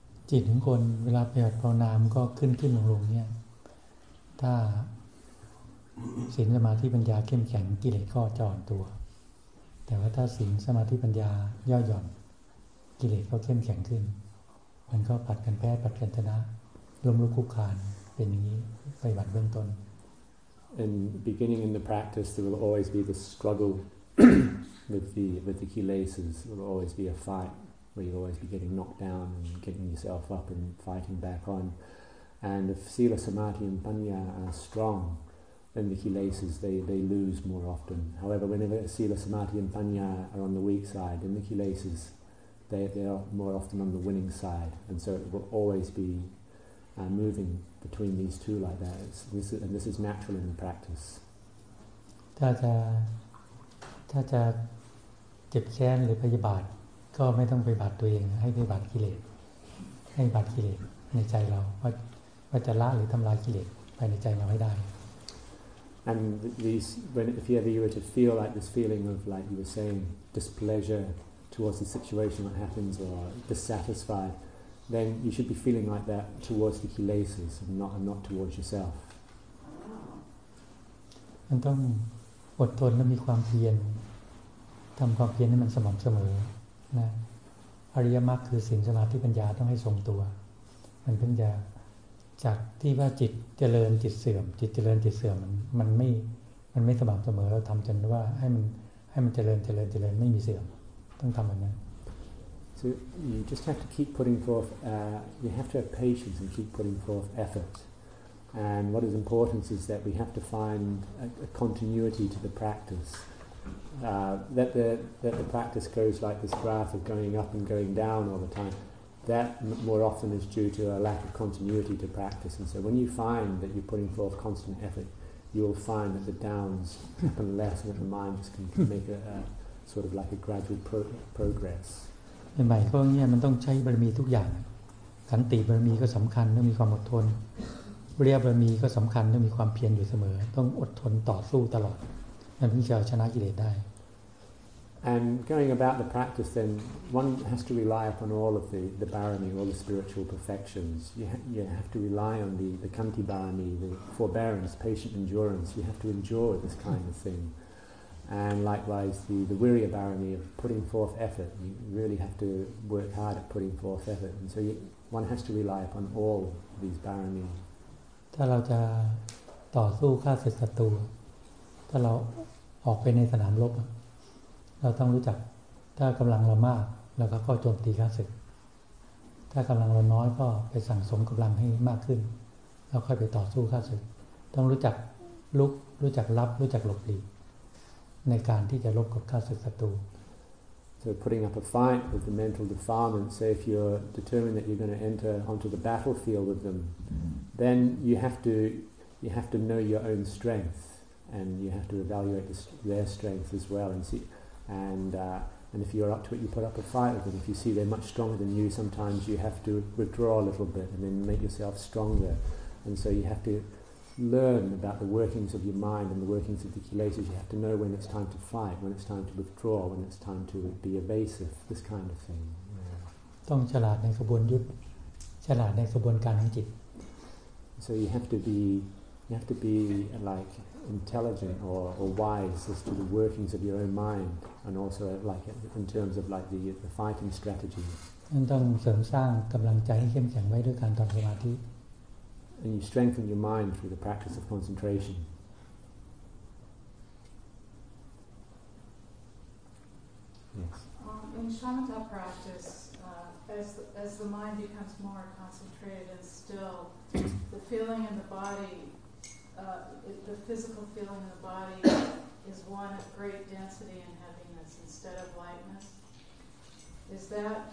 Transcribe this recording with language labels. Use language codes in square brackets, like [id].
[th] จิตของคนเวลาปฏิบัติภาวนาก็ขึ้นขึ้นลงลงเนี่ยถ้าศีลสมาธิปัญญาเข้มแข็งกิเลสก็จอดตัวแต่ว่าถ้าศีลสมาธิปัญญาย่อหย่อนกิเลสก็เข้มแข็งขึ้นมันก็ผัดกันแพ้ผัดกันชนะรวมรู้คู่คานเป็นอย่างนี้ปฏิบัติเบื้องต้น [en] and beginning in the practice there will always be the struggle with the kilesas there will always be a fight where you'll always be getting knocked down and getting yourself up and fighting back on and if sila samadhi and panya are strong then the kilesas they lose more often however whenever sila samadhi and panya are on the weak side then the kilesasthey are more often on the winning side, and so it will always be moving between these two like that. This is natural in the practice. [th] ถ้าจะเจ็บแค้นหรือพยาบาทก็ไม่ต้องไปบาดตัวเองให้ไปบาดกิเลสให้บาดกิเลสในใจเราว่าจะละหรือทำลายกิเลสไปในใจเราให้ได้ [en] And these, when if ever you were to feel like this feeling of like you were saying displeasure. Towards the situation that happens, or dissatisfied, then you should be feeling like that towards the kilesas, not towards yourself. [th] มันต้องอดทนและมีความเพียรทำความเพียรให้มันสม่ำเสมอนะอริยมรรคคือศีลสมาธิปัญญาต้องให้ทรงตัวมันเพิ่งจากที่ว่าจิตเจริญจิตเสื่อมจิตเจริญจิตเสื่อมมันไม่สม่ำเสมอเราทำจนว่าให้มันเจริญไม่มีเสื่อม [en] So you just have to keep putting forth. You have to have patience and keep putting forth effort. And what is important is that we have to find a continuity to the practice. That the practice goes like this graph of going up and going down all the time. That more often is due to a lack of continuity to practice. And so when you find that you're putting forth constant effort, you will find that the downs happen less, and that the mind just can make a sort of like a gradual progress. [th] ใหม่ๆก็เนี่ยมันต้องใช้บารมีทุกอย่างขันติบารมีก็สำคัญต้องมีความอดทนเรียบบารมีก็สำคัญต้องมีความเพียรอยู่เสมอต้องอดทนต่อสู้ตลอดมันถึงจะชนะกิเลสได้ [en] And going about the practice then one has to rely upon all of the barami all the spiritual perfections you have to rely on the khanti barami the forbearance patient endurance you have to endure this kind of thingAnd likewise, the wirya barani of putting forth effort. You really have to work hard at putting forth effort. And so one has to rely upon all these barani. [th] ถ้าเราจะต่อสู้ฆ่าศัตรูถ้าเราออกไปในสนามรบเราต้องรู้จักถ้ากำลังเรามากเราก็เข้าโจมตีฆ่าศึกถ้ากำลังเราน้อยก็ไปสั่งสมกำลังให้มากขึ้นแล้วค่อยไปต่อสู้ฆ่าศึกต้องรู้จักลุกรู้จักรับรู้จักหลบหลีกในการที่จะลบกับข้าศึกศัตรู [en] So putting up a fight with the mental defilement, say if you're determined that you're going to enter onto the battlefield with them, then you have to know your own strength, and you have to evaluate their strength as well, and see, and if you're up to it, you put up a fight with them. If you see they're much stronger than you, sometimes you have to withdraw a little bit and then make yourself stronger, and so you have to. Learn about the workings of your mind and the workings of the kilesas. You have to know when it's time to fight, when it's time to withdraw, when it's time to be evasive. This kind of thing. [th] ต้องฉลาดในกระบวนยุทธ์ฉลาดในกระบวนการของจิต [en] So you have to be like intelligent or wise as to the workings of your own mind, and also like in terms of like the fighting strategy. [th] ต้องเสริมสร้างกำลังใจให้เข้มแข็งไว้ด้วยการทำสมาธิ [en] And you strengthen your mind through the practice of concentration. Yes. In shamatha practice, as the mind becomes more concentrated and still, the feeling in the body, the physical feeling in the body, is one of great density and heaviness instead of lightness. Is that?